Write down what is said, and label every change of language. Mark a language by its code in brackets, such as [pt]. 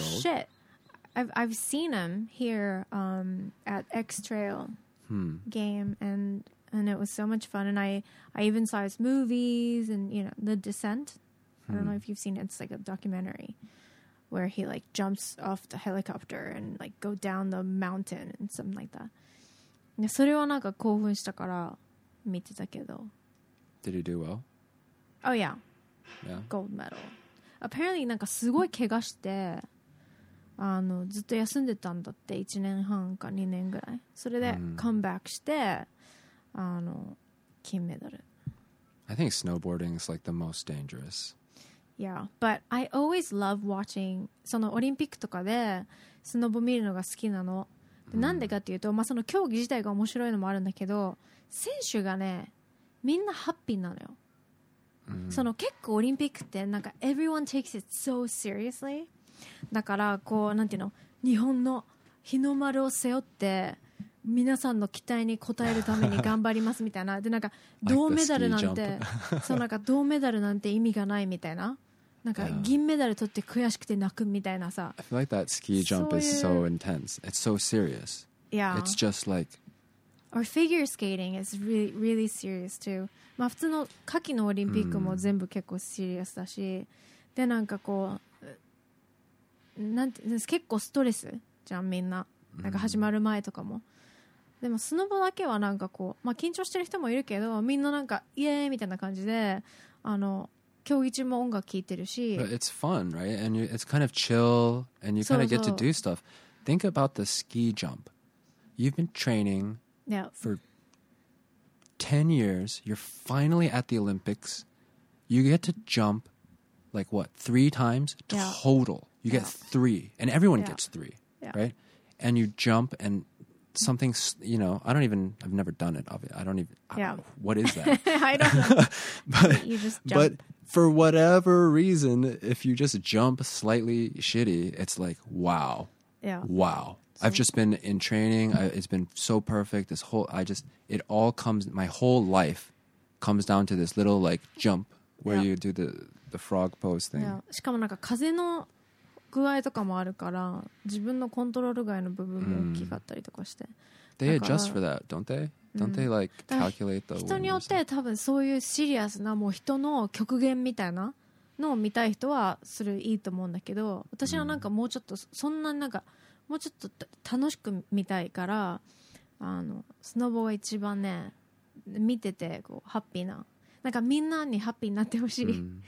[en] He's the shit. I've seen him here at X Trail game and it was so much fun. And I even saw his movies and, you know, The Descent. I don't know if you've seen it. It's like a documentary where he like jumps off the helicopter and like go down the mountain and something like that. [ja] それはなんか興奮したから見てたけど。 [en] Did he do well? Oh, yeah. Yeah. Gold medal. Apparently, [ja] なんかすごい怪我してずっと休んでたんだって1年半か2年ぐらいそれで comeback して金メダル [en] I think snowboarding is like the most dangerous Yeah, but I always love watching [ja] そのオリンピックとかでスノボ見るのが好きなのでなんでかっていうと、まあ、その競技自体が面白いのもあるんだけど選手がねみんなハッピーなのよその結構オリンピックってなんか [en] everyone takes it so seriously [ja] だからこうなんていうの日本の日の丸を背負って皆さんの期待に応えるために頑張りますみたいなでなんか銅メダルなんて、 [en] like、 [ja] そうなんか銅メダルなんて意味がないみたいななんか銀メダル取って悔しくて泣くみたいなさ [en] I feel like that ski jump is so intense it's so serious yeah it's just like Or figure skating is really, really serious too. [ja] まあ普通の夏季のオリンピックも全部結構シリアスだし、でなんかこう、なんて、結構ストレスじゃんみんな。なんか始まる前とかも。でもスノボだけはなんかこう、まあ緊張してる人もいるけど、みんななんかイエーイみたいな感じで、競技中も音楽聴いてるし。 [en] But it's fun, right? And it's kind of chill, and you kind of get to do stuff. Think about the ski jump. You've been training... Yeah. For 10 years, you're finally at the Olympics. You get to jump like what, three times? Yeah. Total. You get three. And everyone gets three, right? and you jump and something, you know, I don't even, I've never done it. Obviously. I don't even, yeah. What is that? I don't know. But, you just jump. But for whatever reason, if you just jump slightly shitty, it's like, wow. Yeah. Wow. So. I've just been in training. It's been so perfect. This whole, it all comes, my whole life comes down to this little like jump where you do the frog pose thing. Yeah. [ja] しかもなんか風の具合とかもあるから、自分のコントロール外の部分も大きかったりとかして。 [en] They adjust for that, don't they? Don't they like calculate the [ja] 人によって多分そういうシリアスなもう人の極限みたいなのを見たい人はそれいいと思うんだけど、私はなんかもうちょっとそんななんかもうちょっと楽しく見たいから、あのスノボが一番ね見ててこうハッピーな、なんかみんなにハッピーになってほしい。